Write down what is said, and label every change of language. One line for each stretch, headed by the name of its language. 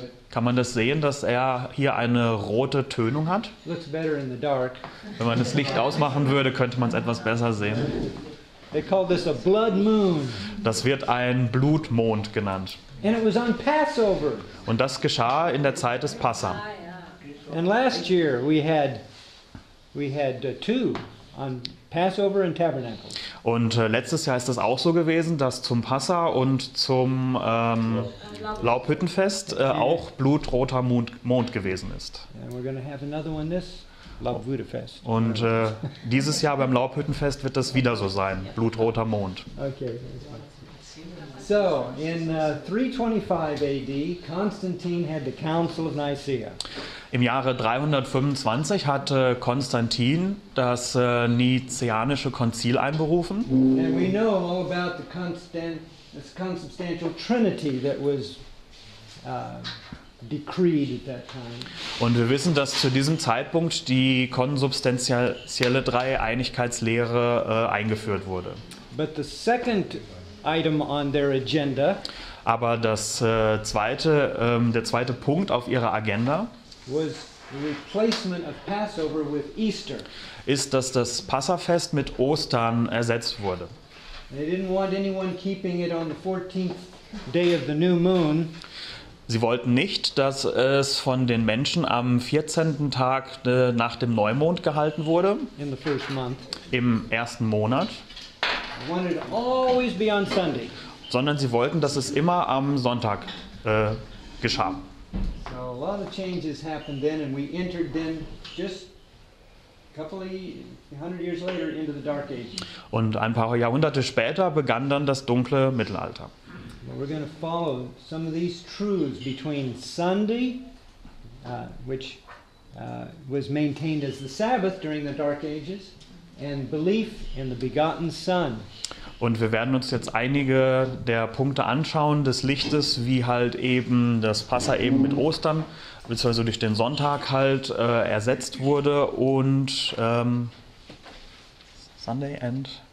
German: Kann man das sehen, dass er hier eine rote Tönung hat?
English: Looks better in the dark.
German: Wenn man das Licht ausmachen würde, könnte man es etwas besser sehen.
English: They call this a blood moon.
German: Das wird ein Blutmond genannt.
English: And it was on Passover.
German: Und das geschah in der Zeit des Passa.
English: And last year we had two on Passover and Tabernacles.
German: Und letztes Jahr ist das auch so gewesen, dass zum Passa und zum Laubhüttenfest auch blutroter Mond gewesen ist.
English: And we're going to have another one this Laubhüttenfest.
German: Und dieses Jahr beim Laubhüttenfest wird das wieder so sein, blutroter Mond.
English: Okay. So in 325 AD Constantine had the Council of Nicaea.
German: Im Jahre 325 hatte Konstantin das Nizianische Konzil einberufen.
English: And we know all about the consubstantial trinity that was decreed at that time.
German: Und wir wissen, dass zu diesem Zeitpunkt die konsubstantielle Dreieinigkeitslehre eingeführt wurde.
English: But the second item on their agenda.
German: Aber das der zweite Punkt auf ihrer Agenda
English: was the replacement of Passover with Easter.
German: Ist, dass das Passafest mit Ostern ersetzt wurde.
English: They didn't want anyone keeping it on the 14th day of the new moon.
German: Sie wollten nicht, dass es von den Menschen am 14. Tag nach dem Neumond gehalten wurde.
English: In the first month.
German: Im ersten Monat.
English: I wanted to always be on Sunday.
German: Sondern sie wollten, dass es immer am Sonntag geschah.
English: So a lot of changes happened then, and we entered then just couple of hundred years later into the Dark Ages.
German: Und ein paar Jahrhunderte später begann dann das dunkle Mittelalter.
English: We're going to follow some of these truths between Sunday, which was maintained as the Sabbath during the Dark Ages, and belief in the begotten Son.
German: Und wir werden uns jetzt einige der Punkte anschauen des Lichtes, wie halt eben das Passa eben mit Ostern, beziehungsweise durch den Sonntag halt ersetzt wurde und
English: Sunday and